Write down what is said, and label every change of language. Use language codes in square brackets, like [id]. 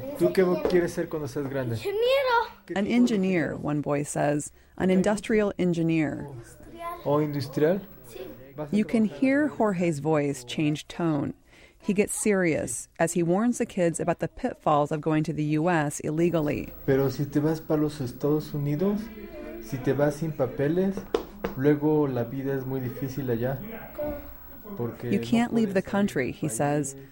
[en] An engineer, one boy says. An industrial engineer. Oh, industrial? You can hear Jorge's voice change tone. He gets serious as he warns the kids about the pitfalls of going to the U.S. illegally. [es] Pero si te vas para los Estados Unidos... Si te vas sin papeles, luego la vida es muy difícil allá. Porque [en] you can't leave the country, he says.